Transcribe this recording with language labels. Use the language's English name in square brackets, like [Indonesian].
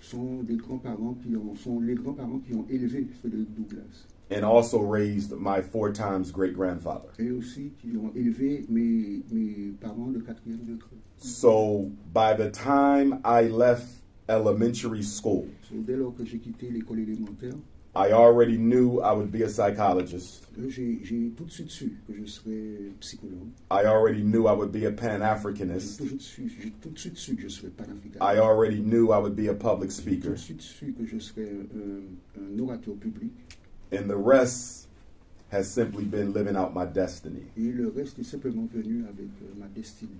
[French] Sont des grands-parents qui ont, sont les grands-parents qui ont élevé Frederick Douglass. [English] And also raised my 4 times great grandfather. [French] Et aussi qui ont élevé mes parents de quatrième degré. [English] So by the time I left elementary school, [French] so dès lors que j'ai quitté l'école élémentaire, [English] I already knew I would be a psychologist. [French] J'ai tout de suite su que je serais psychologue. [English] I already knew I would be a Pan-Africanist. [French] J'ai tout de suite su que je serais pan-africaniste. [English] I already knew I would be a public speaker. [French] J'ai tout de suite su que je serais un orateur public. [English] And the rest has simply been living out my destiny. [French] Et le reste est simplement venu avec ma destinée.